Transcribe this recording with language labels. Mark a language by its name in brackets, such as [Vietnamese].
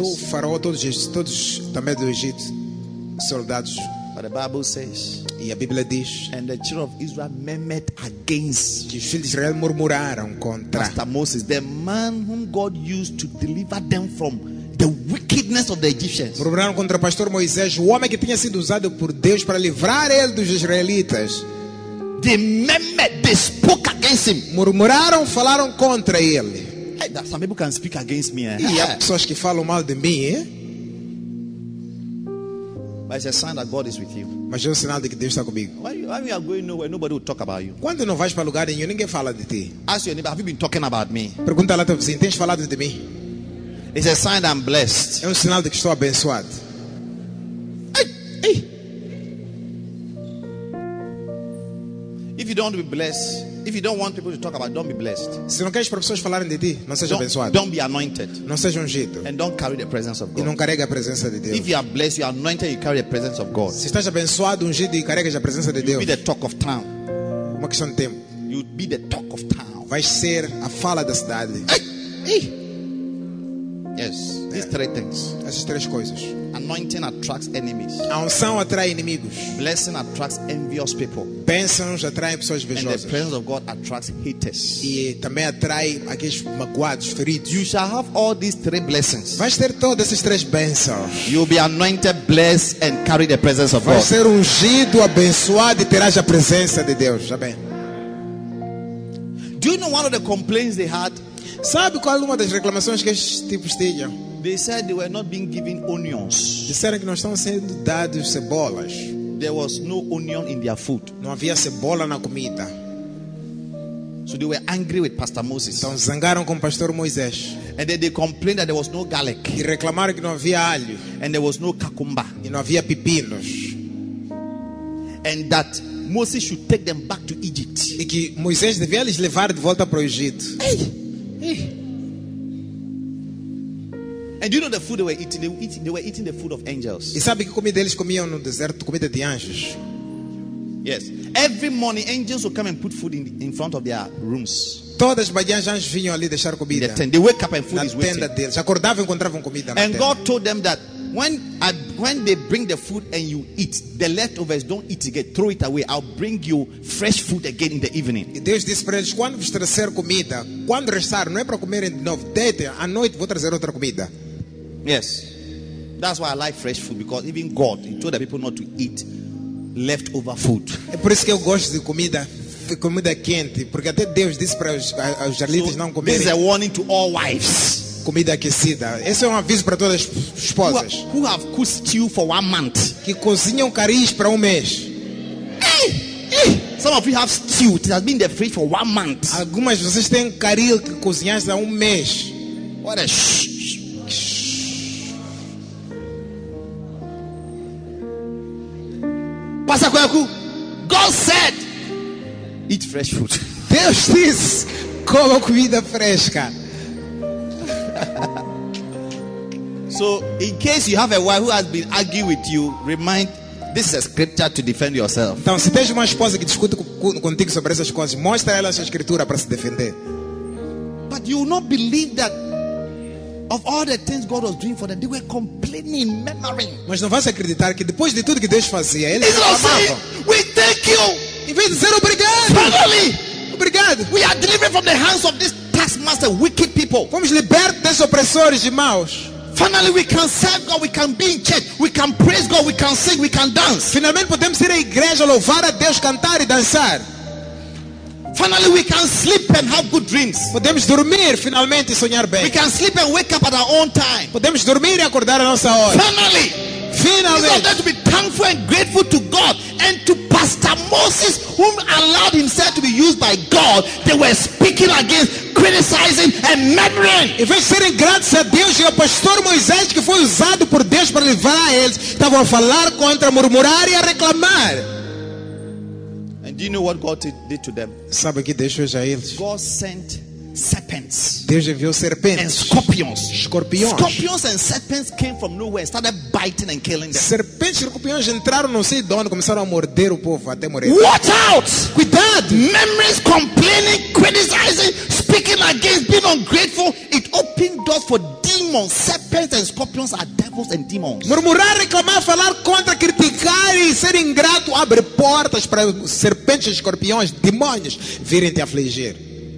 [Portuguese] Matou Faraó, todos também do Egito, soldados. [English] But the Bible says. [Portuguese] E a Bíblia diz. [English] And the children of Israel murmured against. [Portuguese] Que os filhos de Israel murmuraram contra. [English] Master Moses, the man whom God used to deliver them from the wickedness of the Egyptians. [Portuguese] Murmuraram contra o pastor Moisés, o homem que tinha sido usado por Deus para livrar ele dos israelitas. [English] They murmured, they spoke against him. [Portuguese] Murmuraram, falaram contra ele. [English] Hey, some people can speak against me. [Portuguese] E há pessoas que falam mal de mim. [English] But it's a sign that God is with you. [Portuguese] Mas é um sinal de que Deus está comigo. [English] Why you are going nowhere? Nobody will talk about you. [Portuguese] Quando não vais para lugar nenhum, ninguém fala de ti. [English] Ask your neighbor, have you been talking about me? [Portuguese] Pergunta lá teu vizinho, tens falado de mim? [English] It's a sign that I'm blessed. [Portuguese] É um sinal de que estou abençoado. [English] If you don't be blessed, if you don't want people to talk about, don't be blessed. [Portuguese] Se não queres para pessoas falarem de ti, não seja abençoado. [English] Don't be anointed. [Portuguese] Não seja ungido. [English] And don't carry the presence of God. [Portuguese] E não carrega a presença de Deus. [English] If you are blessed, you are anointed, you carry the presence of God. [Portuguese] Se estás abençoado, ungido e carregas a presença de Deus. [English] You'll be the talk of town. [Portuguese] Uma questão de tempo. [English] You'll be the talk of town. [Portuguese] Vais ser a fala da cidade. [English] Ei. Yes. These three things. [Portuguese] Essas três coisas. [English] Anointing attracts enemies. [Portuguese] A unção atrai inimigos. [English] Blessing attracts envious people. [Portuguese] Bênçãos atraem pessoas invejosas. [English] And the presence of God attracts haters. [Portuguese] E também atrai aqueles magoados, feridos. [English] You shall have all these three blessings. [Portuguese] Vais ter todas essas três bênçãos. [English] You'll be anointed, blessed, and carry the presence of [Portuguese] Vais Vais ser ungido, abençoado e terás a presença de Deus. Amém. [English] Do you know one of the complaints they had? [Portuguese] Sabe qual é uma das reclamações que estes tipos tinham? [English] They said they were not being given onions. [Portuguese] Disseram que não estão sendo dados cebolas. [English] There was no onion in their food. [Portuguese] Não havia cebola na comida. [English] So they were angry with Pastor Moses. [Portuguese] Então zangaram com o pastor Moisés. [English] And then they complained that there was no garlic. [Portuguese] E reclamaram que não havia alho. [English] And there was no cucumber. [Portuguese] E não havia pepinos. [English] And that Moses should take them back to Egypt. [Portuguese] E que Moisés devia lhes levar de volta para o Egito. Ei! [English] And do you know the food they were eating? They were eating the food of angels. [Portuguese] E sabe que comida eles comiam no deserto? Comida de anjos. [English] Yes. Every morning, angels would come and put food in front of their rooms. [Portuguese] Todas as manhãs, anjos vinham ali deixar comida. [English] They wake up and food is waiting. [Portuguese] Na tenda deles. Acordavam e encontravam comida na tenda. [English] And God told them that when they bring the food and you eat the leftovers, don't eat again, throw it away. I'll bring you fresh food again in the evening. [Portuguese] E Deus disse para eles, quando vos trazer comida, quando restar, não é para comerem de novo, deitem, à noite vou trazer outra comida. [English] Yes, that's why I like fresh food, because even God, he told the people not to eat leftover food. [Portuguese] É por isso que eu gosto de comida quente, porque até Deus disse para os israelitas não comerem. [English] This is a warning to all wives. [Portuguese] Comida aquecida. Esse é um aviso para todas as esposas. [English] Who have cooked stew for 1 month? [Portuguese] Que cozinham caris para 1 mês. Hey! [English] Some of you have stew that has been in the fridge for 1 month. [Portuguese] Algumas de vocês têm caril que cozinhaste há 1 mês. [English] What a shh. [Portuguese] Passa com a cu. [English] God said, eat fresh food. [Portuguese] Deus disse, coma comida fresca. [English] So in case you have a wife who has been arguing with you, remind, this is a scripture to defend yourself. [Portuguese] Então, se tens uma esposa que discute contigo sobre essas coisas, mostra ela essa escritura para se defender. [English] But you will not believe that of all the things God was doing for them, they were complaining, murmuring. [Portuguese] Mas não vais acreditar que depois de tudo que Deus fazia, eles reclamavam. [English] We thank you. [Portuguese] Em vez de dizer obrigado. [English] Finally, [Portuguese] obrigado. [English] We are delivered from the hands of this taskmaster, wicked people. [Portuguese] Fomos libertos desses opressores de maus. [English] Finally, we can serve God. We can be in church. We can praise God. We can sing. We can dance. [Portuguese] Finalmente podemos ir à igreja, louvar a Deus, cantar e dançar. [English] Finally, we can sleep and have good dreams. [Portuguese] Podemos dormir finalmente e sonhar bem. [English] We can sleep and wake up at our own time. [Portuguese] Podemos dormir e acordar à nossa hora. [English] Finally, [Portuguese] finalmente. [English] To be thankful and grateful to God and to Pastor Moses, whom allowed himself to be used by God. They were speaking against, criticizing and murmuring. [Portuguese] Em vez de serem gratos a Deus e ao Pastor Moisés que foi usado por Deus para livrar eles, estavam a falar contra, murmurar e a reclamar. [English] Do you know what God did to them? [Portuguese] Sabe o que Deus fez a eles? [English] God sent serpents. [Portuguese] Deus enviou serpentes. [English] And scorpions. [Portuguese] Escorpiões. [English] Scorpions and serpents came from nowhere, started biting and killing them. [Portuguese] Serpentes e escorpiões entraram, não sei de onde, começaram a morder o povo até morrer. [English] Watch out! [Portuguese] Cuidado! [English] Memories complaining, criticizing, speaking against, being ungrateful, it opened doors for demons. Serpents and scorpions are devils and demons. [Portuguese] Murmurar, reclamar, falar contra, criticar e ser ingrato abre portas para serpentes, escorpiões, demônios virem te afligir.